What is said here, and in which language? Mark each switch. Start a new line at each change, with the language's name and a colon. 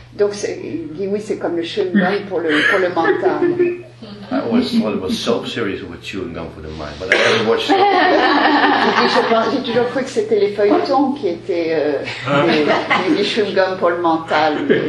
French: Donc, c'est comme le chewing gum pour le mental.
English: I always thought it was soap series with chewing gum for the mind, but I haven't watched it.
French: J'ai toujours cru que c'était les feuilletons qui étaient les chewing gum pour le mental.